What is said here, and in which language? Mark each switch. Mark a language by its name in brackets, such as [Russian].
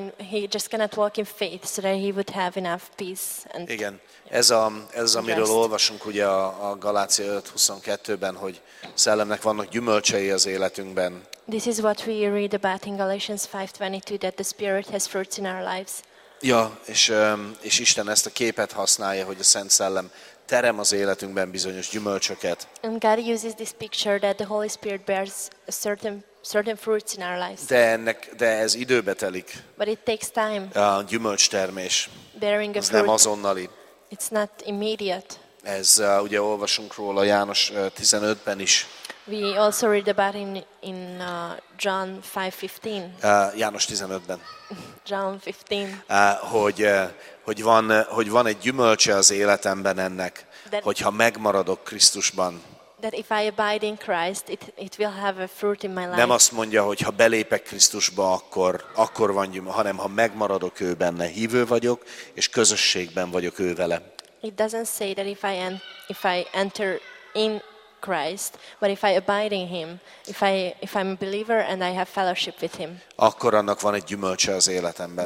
[English] He just cannot walk in faith so that he would have enough peace. And [Hungarian] igen, ez amiről olvasunk ugye a Galácia 5:22-ben, hogy szellemnek vannak gyümölcsei az életünkben. [English] This is what we read about in Galatians 5:22, that the Spirit has fruits in our lives. [Hungarian] Ja, és Isten ezt a képet használja, hogy a Szent Szellem terem az életünkben bizonyos gyümölcsöket. [English] And God uses this picture that the Holy Spirit bears a certain fruits in our lives. [Hungarian] De ez időbe telik. [English] But it takes time. [Hungarian] A gyümölcstermés. [English] Bearing a fruit. [Hungarian] Ez nem azonnali. [English] It's not immediate. [Hungarian] Ez ugye olvasunk róla János 15-ben is. [English] We also read about in John 5:15. [Hungarian] János 15-ben. [English] John 15. [Hungarian] Hogy van egy gyümölcse az életemben ennek, hogyha megmaradok Krisztusban. [English] That if I abide in Christ, it will have a fruit in my life. [Hungarian] Nem azt mondja, hogy ha belépek Krisztusba, akkor van gyümölcse, hanem ha megmaradok ő benne, hívő vagyok és közösségben vagyok ő vele. [English] It doesn't say that if I enter in Christ, but if I abide in him, if I'm a believer and I have fellowship with him. [Hungarian] Akkor annak van egy gyümölcse az életemben.